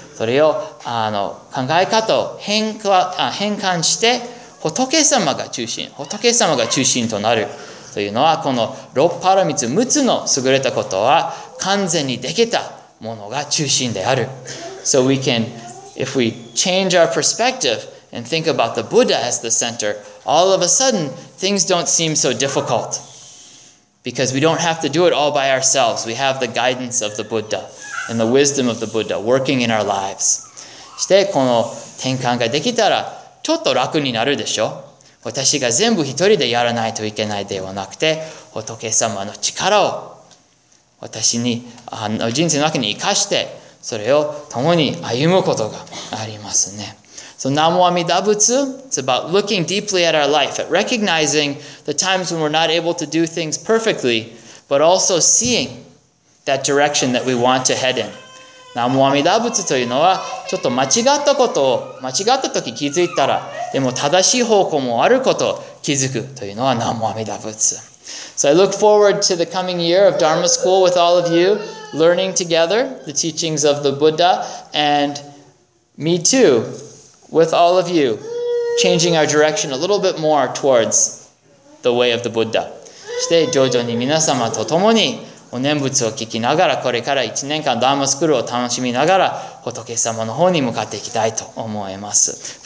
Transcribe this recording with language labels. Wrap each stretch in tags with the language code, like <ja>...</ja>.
<ja>それを考え方を変換して仏様が中心、仏様が中心となるというのは、この六パラミツ六つの優れたことは完全にできたものが中心である。</ja> <en>So we can, if we change our perspective and think about the Buddha as the center, all of a sudden things don't seem so difficult because we don't have to do it all by ourselves. We have the guidance of the Buddha. And the wisdom of the Buddha working in our lives.</en> <ja>してこの転換ができたらちょっと楽になるでしょ。私が全部一人でやらないといけないではなくて、仏様の力を私に人生の中に生かして、それを共に歩むことがありますね。</ja> <en>So Namo Amida Butsu, it's about looking deeply at our life, at recognizing the times when we're not able to do things perfectly, but also seeingthat direction that we want to head in.</en> <ja>Namo Amida Butsu というのは、ちょっと間違ったことを、間違ったとき気づいたら、でも正しい方向もあることを気づくというのは、Namo Amida Butsu.</ja> <en>So I look forward to the coming year of Dharma School with all of you, learning together the teachings of the Buddha, and me too, with all of you, changing our direction a little bit more towards the way of the Buddha.</en> <ja>して、徐々に皆様と共に、お念仏を聞きながら、これから1年間ダーマスクールを楽しみながら、仏様の方に向かっていきたいと思います。</ja>